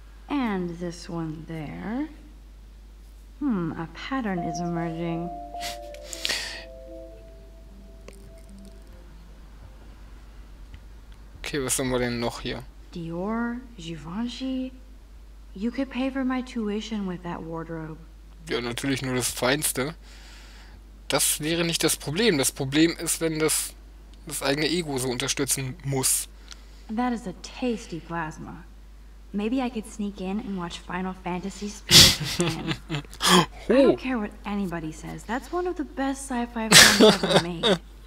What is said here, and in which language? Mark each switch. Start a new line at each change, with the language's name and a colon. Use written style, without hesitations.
English: And this one there. A pattern is emerging.
German: Okay, was haben wir denn noch hier? Dior, Givenchy.
English: You could pay for my tuition with that wardrobe.
German: Ja, natürlich nur das Feinste. Das wäre nicht das Problem. Das Problem ist, wenn das eigene Ego so unterstützen muss.
English: That is a tasty plasma. Maybe I could sneak in and watch Final Fantasy Spirits again. Oh. I don't care what anybody says. That's one of the best sci-fi films ever made.